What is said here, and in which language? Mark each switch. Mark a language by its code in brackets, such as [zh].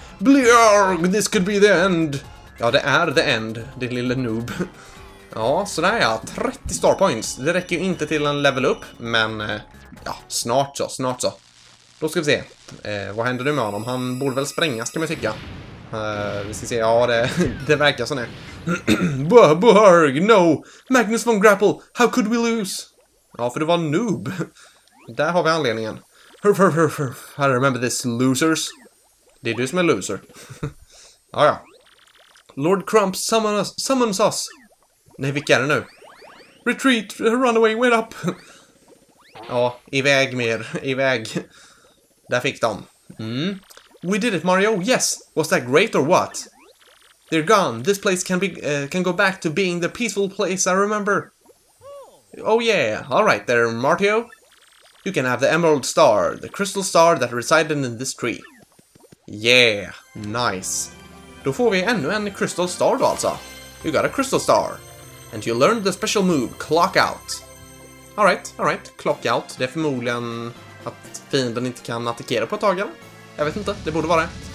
[en] Blyarg, this could be the end. [sv] Ja, det är [en] the end, [sv] din lilla noob. Ja, sådär ja, 30 star points. Det räcker ju inte till en level up, men ja, snart så. Då ska vi se, vad händer nu med honom? Han borde väl sprängas, kan man tycka. Vi ska se, ja, det verkar sådär. [en] Blyarg, no, Magnus von Grapple, how could we lose? [sv] Ja, för du var noob. Där har vi anledningen. [en] I remember this, losers. [sv] Det är du som är loser. Ja. [en] Lord Crump summons us. [sv] Nej, vilka är det nu? [en] Retreat, run away, wait up. [sv] Ja, iväg. Där fick de. [en] We did it, Mario. Yes. Was that great or what? They're gone. This place can go back to being the peaceful place I remember. Oh yeah. All right there, Mario. You can have the Emerald Star, the crystal star that resided in this tree. Yeah, nice. [sv] Då får vi ännu en crystal star då alltså. [en] You got a crystal star. And you learned the special move, clock out. All right, clock out. [sv] Det är förmodligen att fienden inte kan attackera på ett tag. Jag vet inte, det borde vara det.